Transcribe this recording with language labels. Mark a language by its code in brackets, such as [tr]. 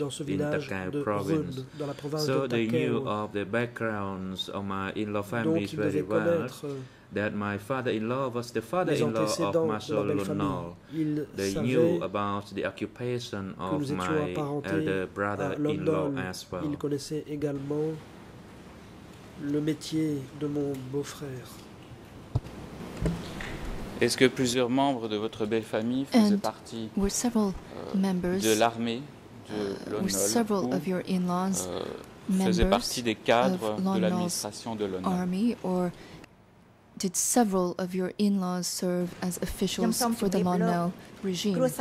[en] in Takao province. province. So they knew of the backgrounds of my in-law families very well. That my father-in-law was the father-in-law of Marshal Lonnol. They knew about the occupation of my elder brother-in-law as well. [fr] Ils connaissaient également le métier de mon beau-frère. Est-ce que plusieurs membres de votre belle famille faisaient partie [en] were several members, [fr] de l'armée de Lonnol [en] of your in-laws [fr] faisaient partie des cadres de l'administration de Lonnol? [en] Did several of your in-laws serve as officials for the Lonnol regime?